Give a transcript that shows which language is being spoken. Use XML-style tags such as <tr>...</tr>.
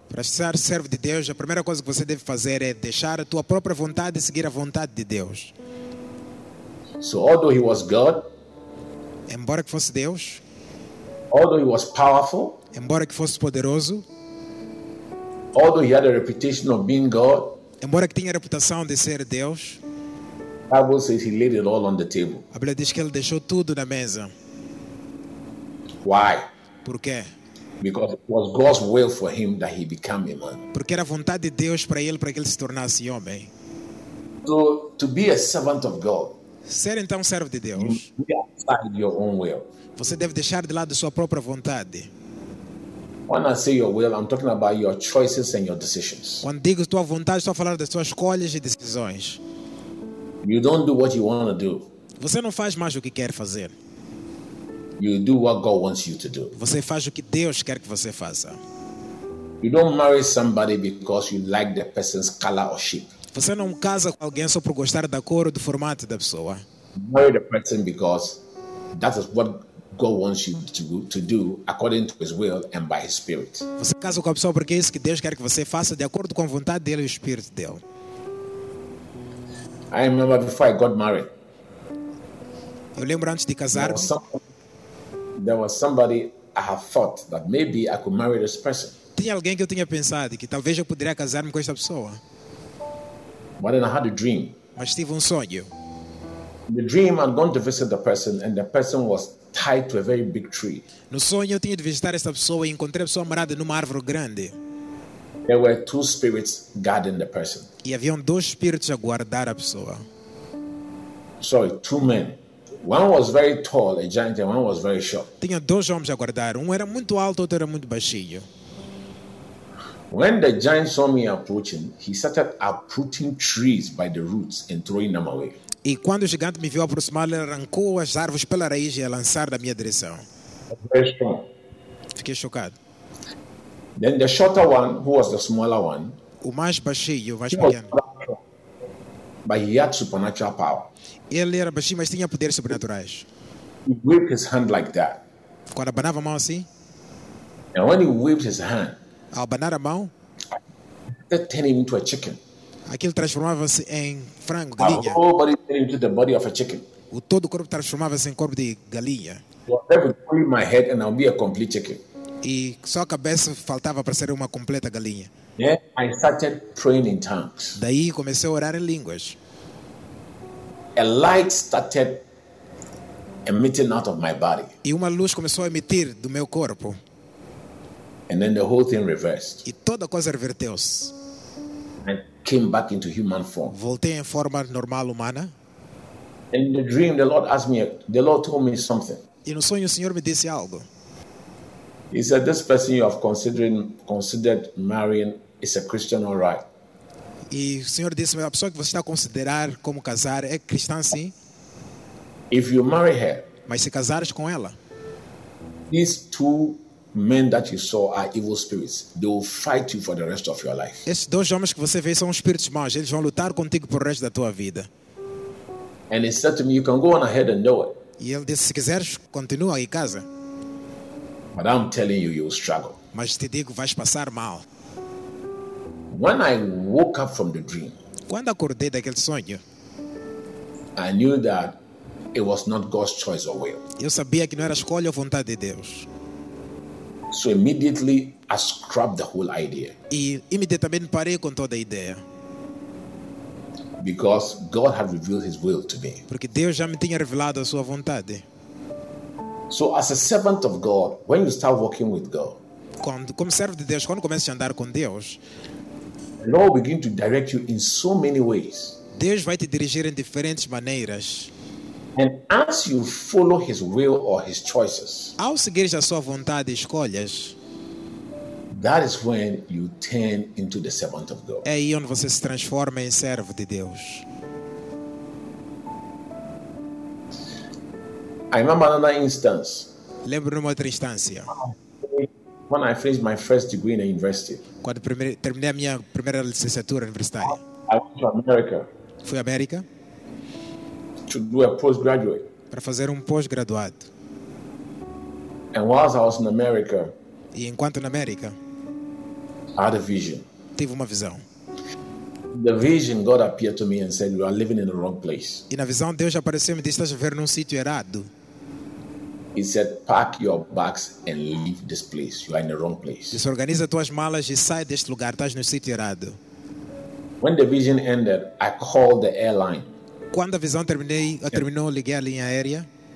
<pt>Para ser servo de Deus, a primeira coisa que você deve fazer é deixar a tua própria vontade e seguir a vontade de Deus.</pt> <en>So although he was God,</en> <pt>embora que fosse Deus,</pt> <en>although he was powerful,</en> <pt>embora que fosse poderoso,</pt> <en>although he had a reputation of being God,</en> <pt>embora que tinha a reputação de ser Deus,</pt> <en>the Bible says he laid it all on the table.</en> <pt>A Bíblia diz que ele deixou tudo na mesa.</pt> <en>Why?</en> <pt>Por quê?</pt> <en>Because it was God's will for him that he become a man.</en> <pt>Porque era a vontade de Deus para ele, para que ele se tornasse homem.</pt> <en>So, to be a servant of God,</en> <pt>ser então servo de Deus,</pt> <en>your own will.</en> <pt>Você deve deixar de lado sua própria vontade.</pt> <en>When I say your will, I'm talking about your choices and your decisions.</en> <pt>Quando digo tua vontade, estou a falar das suas escolhas e decisões.</pt> <en>You don't do what you want to do.</en> <pt>Você não faz mais o que quer fazer.</pt> <en>You do what God wants you to do.</en> <pt>Você faz o que Deus quer que você faça.</pt> <en>You don't marry somebody because you like the person's color or shape.</en> <pt>Você não casa com alguém só por gostar da cor ou do formato da pessoa.</pt> <en>You marry the person because that is what God wants you to do according to his will and by his spirit.</en> <pt>Você casa com a pessoa porque é isso que Deus quer que você faça de acordo com a vontade dele e o espírito dele.</pt> <en>I remember before I got married.</en> <pt>Eu lembro antes de casar.</pt> <en>There was somebody I have thought that maybe I could marry this person.</en> <pt>Tinha alguém que eu tinha pensado que talvez eu poderia casar-me com esta pessoa.</pt> <en>But then I had a dream.</en> <pt>Mas tive sonho.</pt> <en>The dream I'd gone to visit the person and the person was tied to a very big tree.</en> <pt>No sonho eu tinha de visitar esta pessoa e encontrei a pessoa amarrada numa árvore grande.</pt> <en>There were two spirits guarding the person.</en> <pt>E haviam dois espíritos a guardar a pessoa.</pt> <en>Sorry, two men. One was very tall, a giant, and one was very short.</en> <pt>Tinha dois homens a guardar. Um era muito alto, outro era muito baixinho.</pt> <en>When the giant saw me approaching, he started uprooting trees by the roots and throwing them away.</en> <pt>E quando o gigante me viu aproximar, ele arrancou as árvores pela raiz e a lançar na minha direção.</pt> <en>Very strong.</en> <pt>Fiquei chocado.</pt> <en>Then the shorter one, who was the smaller one,</en> <pt>o mais baixinho, o mais pequeno,</pt> <en>but he had supernatural power.</en> <pt>Ele era baixinho, mas tinha poderes sobrenaturais.</pt> <en>He waved his hand like that.</en> <pt>Quando abanava a mão assim,</pt> <en>and when he waved his hand,</en> <pt>ao abanar a mão,</pt> <en>that turned him into a chicken.</en> <pt>Aquilo transformava-se em frango, galinha.</pt> <en>A whole body turned into the body of a chicken.</en> <pt>O todo corpo transformava-se em corpo de galinha.</pt> <en>I would pull my head and I'll be a complete chicken.</en> <pt>E só a cabeça faltava para ser uma completa galinha.</pt> <en>Yeah, I started praying in tongues.</en> <pt>Daí comecei a orar em línguas.</pt> <en>A light started emitting out of my body.</en> <pt>E uma luz começou a emitir do meu corpo.</pt> <en>And then the whole thing reversed.</en> <pt>E toda a coisa reverteu-se.</pt> <en>and came back into human form.</en> <pt>Voltei em forma normal humana.</pt> <en>In the dream, the Lord told me something.</en> <pt>E no sonho, o Senhor me disse algo.</pt> <en>He said, "This person you have considered marrying is a Christian, all right?"</en> <pt>E o Senhor disse-me, a pessoa que você está a considerar como casar é cristã, sim.</pt> <en>If you marry her,</en> <pt>mas se casares com ela,</pt> <en>these two men that you saw are evil spirits. They will fight you for the rest of your life.</en> <pt>Esses dois homens que você vê são espíritos maus. Eles vão lutar contigo por o resto da tua vida.</pt> <en>And he said to me, "You can go on ahead and do it."</en> <pt>E ele disse, se quiseres, continua aí em casa.</pt> <en>But I'm telling you, you will struggle.</en> <pt>Mas te digo, vais passar mal.</pt> <en>When I woke up from the dream,</en> <pt>quando acordei daquele sonho,</pt> <en>I knew that it was not God's choice or will.</en> <pt>Eu sabia que não era escolha ou vontade de Deus.</pt> <en>So immediately I scrubbed the whole idea.</en> <pt>E imediatamente parei com toda a ideia.</pt> <en>Because God had revealed His will to me.</en> <pt>Porque Deus já me tinha revelado a sua vontade.</pt> <en>So as a servant of God, when you start working with God,</en> <pt>como servo de Deus, quando começas a andar com Deus,</pt> <en>the Lord will begin to direct you in so many ways.</en> <pt>Deus vai te dirigir em diferentes maneiras.</pt> <en>And as you follow His will or His choices,</en> <pt>ao seguir a sua vontade e escolhas,</pt> <en>that is when you turn into the servant of God.</en> <pt>É aí onde você se transforma em servo de Deus.</pt> <en>I remember another instance.</en> <pt>Lembro-me de outra instância.</pt> <en>When I finished my first degree in a university,</en> <pt>quando terminei a minha primeira licenciatura universitária,</pt> <en>I went to America.</en> <pt>Fui à América</pt> <en>to do a postgraduate.</en> <pt>Para fazer pós-graduado.</pt> <en>And whilst I was in America,</en> <pt>e enquanto na América,</pt> <en>I had a vision.</en> <pt>Tive uma visão.</pt> <en>The vision, God appeared to me and said, "You are living in the wrong place."</en> <pt>E na visão, Deus apareceu e me disse, "Estás a viver num sítio errado."</pt> <en>He said, "Pack your bags and leave this place. You are in the wrong place."</en> <pt>Disse, organiza tuas malas e sai deste lugar. Estás no sítio errado.</pt> <en>When the vision ended, I called the airline.</en> <pt>Quando a visão terminou, liguei a linha aérea.</pt>